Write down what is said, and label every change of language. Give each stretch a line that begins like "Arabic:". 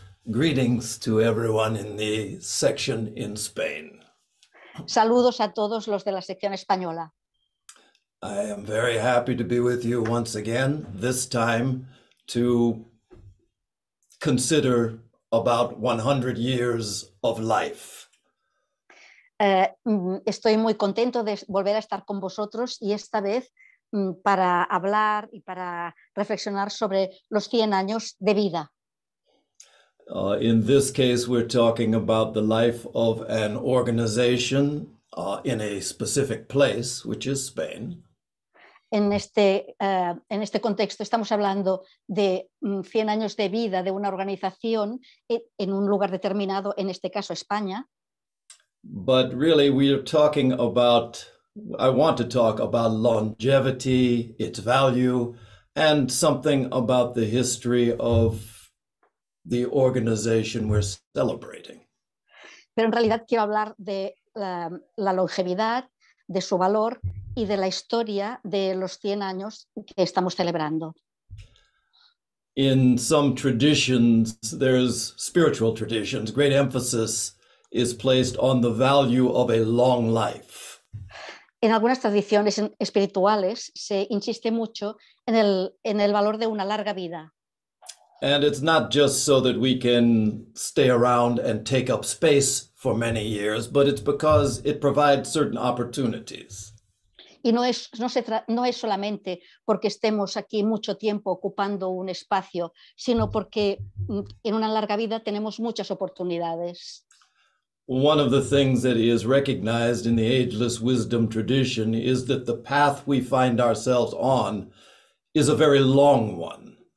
English: Greetings to everyone in the section in Spain.
Spanish: Saludos a todos los de la sección española.
English: I am very happy to be with you once again, this time to consider about 100 years of life.
Spanish: Estoy muy contento de volver a estar con vosotros y esta vez para hablar y para reflexionar sobre los 100 años de vida.
English: In this case, we're talking about the life of an organization in a specific place, which is Spain.
Spanish: En este contexto estamos hablando de 100 años de vida de una organización en un lugar determinado, en este caso España.
English: But really, we are talking about, I want to talk about longevity, its value, and something about the history of the organization we're celebrating.
Spanish: Pero en realidad quiero hablar de la longevidad, de su valor y de la historia de los 100 años que estamos celebrando.
English: In some traditions, there's spiritual traditions, great emphasis is placed on the value of a long life.
Spanish: En algunas tradiciones espirituales se insiste mucho en el valor de una larga vida.
English: And it's not just so that we can stay around and take up space for many years, but it's because it provides certain opportunities.
Spanish: Y no es solamente porque estemos aquí mucho tiempo ocupando un espacio, sino porque en una larga vida tenemos muchas oportunidades.
English: One of the things that is recognized in the ageless wisdom tradition is that the path we find ourselves on is a very long one.